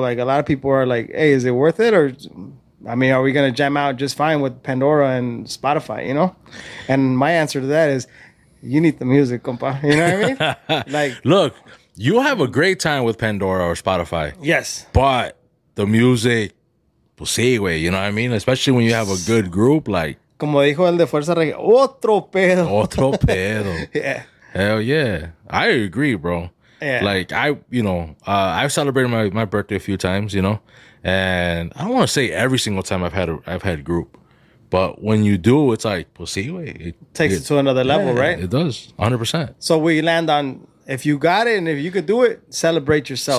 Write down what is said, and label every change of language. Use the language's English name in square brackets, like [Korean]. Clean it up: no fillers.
[English] Like a lot of people are like, hey, is it worth it? Or I mean, are we going to jam out just fine with Pandora and Spotify, you know? And my answer to that is you need the music, compa. You know what I mean? Like, look, you have a great time with Pandora or Spotify. Yes. But the music, [Spanish] pues sí, güey, [English] you know what I mean? Especially when you have a good group, like. [Spanish] Como dijo el de Fuerza Regia, otro pedo. Otro pedo. [English] Yeah. Hell yeah. I agree, bro. Yeah. Like, I, you know, I've celebrated my birthday a few times, you know, and I don't want to say every single time I've had group, but when you do, it's like, well, see, it takes it to another level, yeah, right? It does, 100%. So we land on, if you got it and if you could do it, celebrate yourself.